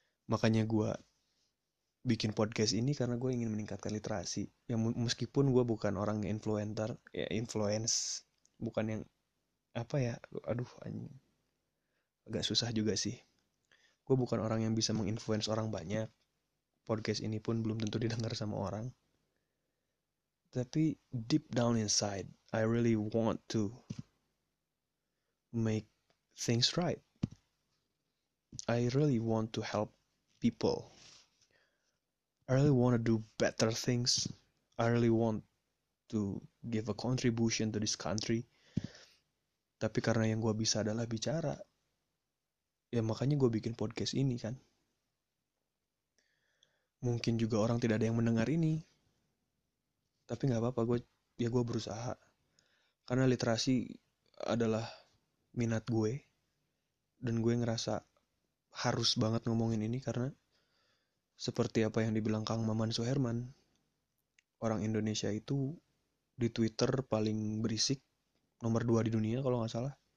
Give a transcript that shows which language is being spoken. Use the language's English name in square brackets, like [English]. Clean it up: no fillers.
[Indonesian] Makanya gue bikin podcast ini karena gue ingin meningkatkan literasi. Ya meskipun gue bukan orang influencer, ya influence, bukan yang apa ya, aduh anjing, agak susah juga sih. Gue bukan orang yang bisa menginfluence orang banyak. Podcast ini pun belum tentu didengar sama orang. [English] Tapi deep down inside, I really want to make things right. I really want to help people. I really want to do better things. I really want to give a contribution to this country. [Indonesian] Tapi karena yang gue bisa adalah bicara, ya makanya gue bikin podcast ini kan. Mungkin juga orang tidak ada yang mendengar ini, tapi nggak apa-apa, gue berusaha. Karena literasi adalah minat gue, dan gue ngerasa harus banget ngomongin ini karena seperti apa yang dibilang Kang Maman Suherman, orang Indonesia itu di Twitter paling berisik, nomor 2 di dunia kalau nggak salah.